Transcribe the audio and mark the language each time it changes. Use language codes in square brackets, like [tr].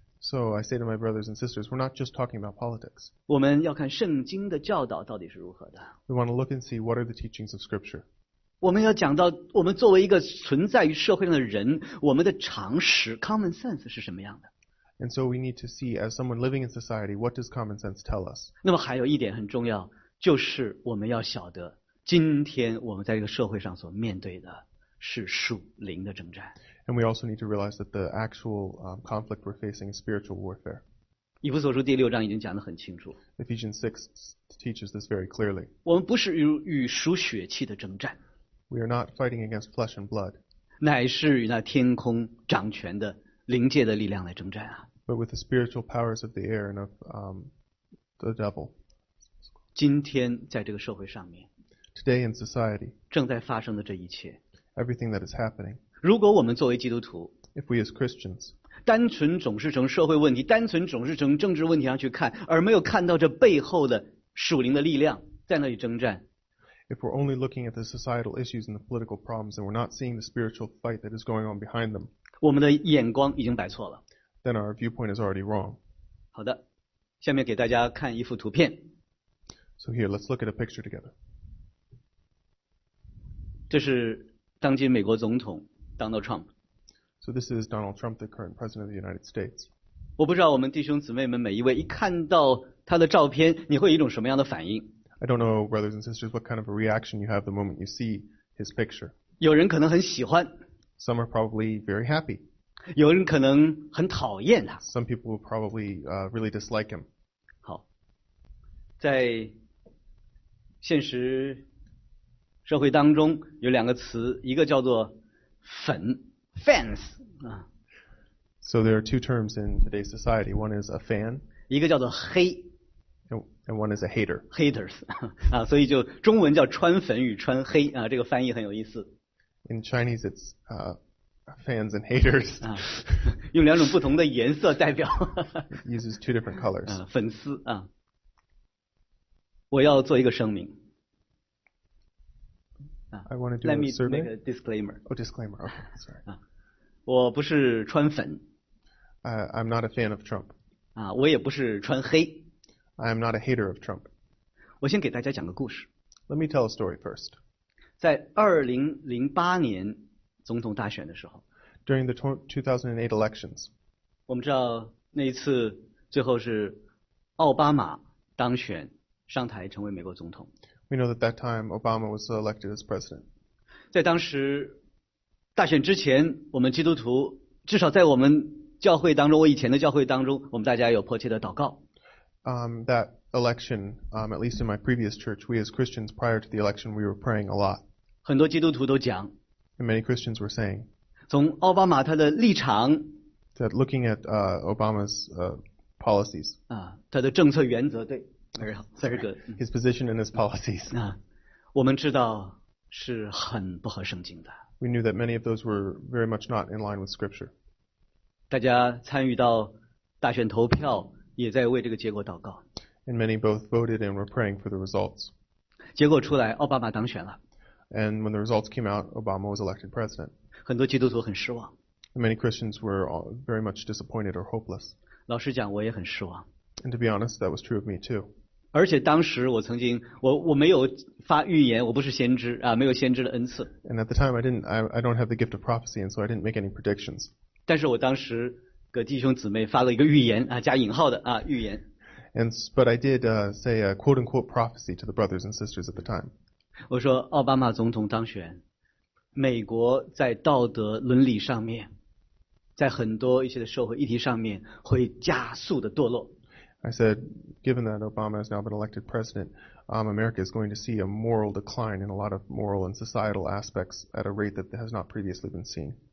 [en] So I say to my brothers and sisters, we're not just talking about politics. [zh] 我们要看圣经的教导到底是如何的。 [en] We want to look and see what are the teachings of Scripture. [zh] 我们要讲到我们作为一个存在于社会上的人，我们的常识 [en] common sense [zh] 是什么样的。 [en] And so we need to see as someone living in society, what does common sense tell us? [zh] 那么还有一点很重要，就是我们要晓得今天我们在这个社会上所面对的是属灵的征战。 [en] And we also need to realize that the actual conflict we're facing is spiritual warfare. [zh] 以弗所书第六章已经讲得很清楚。 [en] Ephesians 6 teaches this very clearly. [zh] 我们不是与属血气的征战。 [en] We are not fighting against flesh and blood. [zh] 乃是与那天空掌权的灵界的力量来征战啊。 [en] But with the spiritual powers of the air and of the devil. [zh] 今天在这个社会上面。 [en] Today in society. [zh] 正在发生的这一切。 [en] Everything that is happening. [zh] 如果我们作为基督徒 [en] If we as Christians, [zh] 单纯总是从社会问题单纯总是从政治问题上去看而没有看到这背后的属灵的力量在那里征战 [en] If we're only looking at the societal issues and the political problems and we're not seeing the spiritual fight that is going on behind them [zh] 我们的眼光已经摆错了 [en] Then our viewpoint is already wrong [zh] 好的下面给大家看一幅图片 [en] So here, let's look at a picture together [zh] 这是当今美国总统Donald Trump. [en] So this is Donald Trump, the current president of the United States. [zh] 我不知道我们弟兄姊妹们每一位一看到他的照片，你会有一种什么样的反应 [en] ？I don't know, brothers and sisters, what kind of a reaction you have the moment you see his picture. [zh] 有人可能很喜欢。 [en] Some are probably very happy. [zh] 有人可能很讨厌他。 [en] Some people will probably really dislike him. [zh] 好，在现实社会当中有两个词，一个叫做粉 fans 啊。 [en] So there are two terms in today's society. One is a fan. [zh] 一个叫做黑。 [en] And one is a hater. [zh] Haters 啊，所以就中文叫穿粉与穿黑啊，这个翻译很有意思。 [en] In Chinese, it's fans and haters. [zh] 啊，用两种不同的颜色代表。 [en] It uses two different colors. [zh] 啊，粉丝啊。我要做一个声明。 [en] I want to do a survey. Let me make a disclaimer. Oh, disclaimer. Okay, sorry. [zh] 啊，我不是川粉。 [en] I'm not a fan of Trump. [zh] 啊，我也不是川黑。 [en] I'm not a hater of Trump. [zh] 我先给大家讲个故事。 [en] Let me tell a story first. [zh] 在2008年总统大选的时候。 [en] During the 2008 elections. [zh] 我们知道那一次最后是奥巴马当选。上台成为美国总统。 [en] We know that time Obama was elected as president. [zh] 在当时大选之前，我们基督徒至少在我们教会当中，我以前的教会当中，我们大家有迫切的祷告。 [en] That election, at least in my previous church, we as Christians prior to the election, we were praying a lot. [zh] 很多基督徒都讲。 [en] And many Christians were saying. [zh] 从奥巴马他的立场。 [en] That looking at Obama's policies. [zh] 啊，他的政策原则对。 [en] Very good. His position and his policies. [zh] 啊，我们知道是很不合圣经的。 [en] We knew that many of those were very much not in line with Scripture. [zh] 大家参与到大选投票，也在为这个结果祷告。 [en] And many both voted and were praying for the results. [zh] 结果出来，奥巴马当选了。 [en] And when the results came out, Obama was elected president. [zh] 很多基督徒很失望。 [en] And many Christians were very much disappointed or hopeless. [zh] 老实讲，我也很失望。 [en] And to be honest, that was true of me too. [zh] 而且当时我曾经我没有发预言，我不是先知啊，没有先知的恩赐。 [en] And at the time, I don't have the gift of prophecy, and so I didn't make any predictions. [zh] 但是我当时给弟兄姊妹发了一个预言啊，加引号的啊，预言。 [en] But I did say a quote unquote prophecy to the brothers and sisters at the time. [zh] 我说奥巴马总统当选，美国在道德伦理上面，在很多一些的社会议题上面会加速的堕落。 [en] I said, given that Obama has now been elected president, America is going to see a moral decline in a lot of moral and societal aspects at a rate that has not previously been seen.